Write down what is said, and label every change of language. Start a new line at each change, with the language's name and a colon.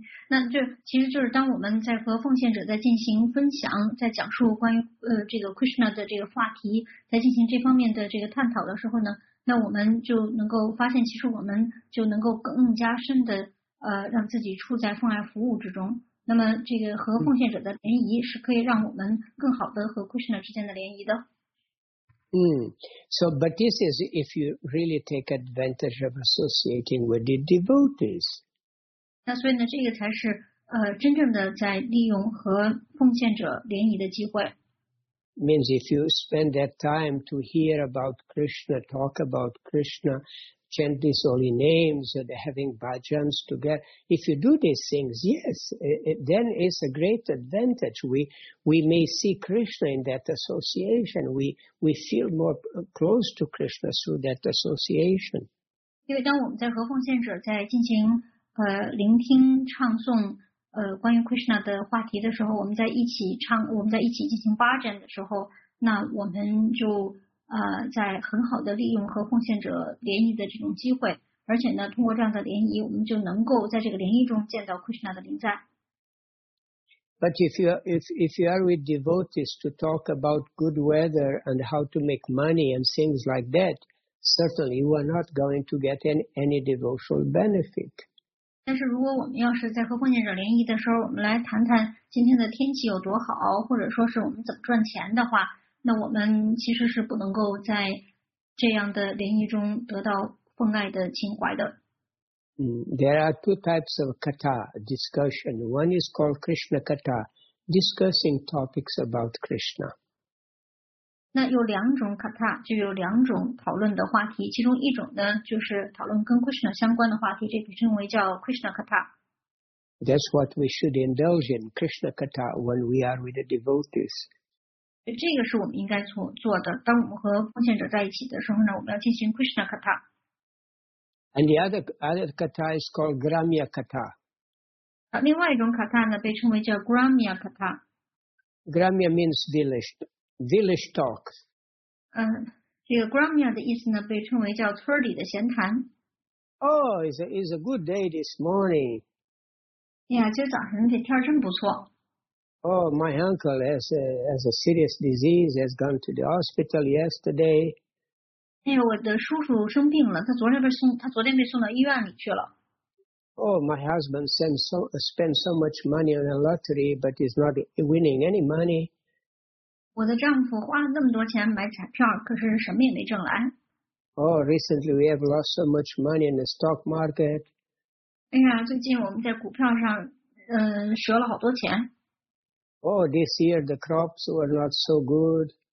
Chinese: 那这其实就是当我们在和奉献者在进行分享，在讲述关于这个Krishna的这个话题，在进行这方面的这个探讨的时候呢， 那我们就能够发现，其实我们就能够更加深的，让自己处在奉爱服务之中。那么，这个和奉献者的联谊是可以让我们更好的和 Krishna 之间的联谊的。嗯，
English: so but this is if you really take advantage of associating with the devotees.
Chinese: 那所以呢，这个才是真正的在利用和奉献者联谊的机会。
English: Means if you spend that time to hear about Krishna, talk about Krishna, chant these holy names, having bhajans together, if you do these things, yes, then it's a great advantage. We may see Krishna in that association. We feel more close to Krishna through that association.
Chinese: 因为当我们在和奉献者在进行聆听唱诵关于 Krishna 的话题的时候，我们在一起唱，我们在一起进行 bhajan 的时候，那我们就在很好的利用和奉献者联谊的这种机会，而且呢，通过这样的联谊，我们就能够在这个联谊中见到 Krishna 的临在。
English: But if you are with devotees to talk about good weather and how to make money and things like that, certainly you are not going to get any devotional benefit.
Chinese: 但是如果我们要是在和奉献者联谊的时候，我们来谈谈今天的天气有多好，或者说是我们怎么赚钱的话，那我们其实是不能够在这样的联谊中得到奉爱的情怀的。
English: There are two types of katha discussion. One is called Krishna katha, discussing topics about Krishna.
Chinese: 那有两种 katha, 就有两种讨论的话题，其中一种呢就是讨论跟 Krishna 相关的话题，这个称为叫 Krishna katha。
English: That's what we should indulge in, Krishna katha, when we are with the devotees.
Chinese: 这个是我们应该做的，当我们和奉献者在一起的时候呢，我们要进行 Krishna katha。
English: And the other katha is called Gramya katha.
Chinese: 另外一种 katha 呢被称为叫 Gramya katha。
English: Gramya means village talk.
Chinese: 这个 Gramya 的意思呢被称为叫村里的闲谈。
English: Oh, it's a good day this morning.
Chinese: Yeah, 今早上这天真不错。
English: Oh, my uncle has a serious disease, has gone to the hospital yesterday.
Chinese: 哎，我的叔叔生病了，他昨天被送到医院里去了。
English: Oh, my husband spends so much money on a lottery, but he's not winning any money.
Chinese: 我的丈夫花了那么多钱买彩票，可是什么也没挣来。
English: Oh, recently we have lost so much money in the stock market.
Chinese: 哎呀，最近我们在股票上，折了好多钱。
English: Oh, this year the crops were not so good.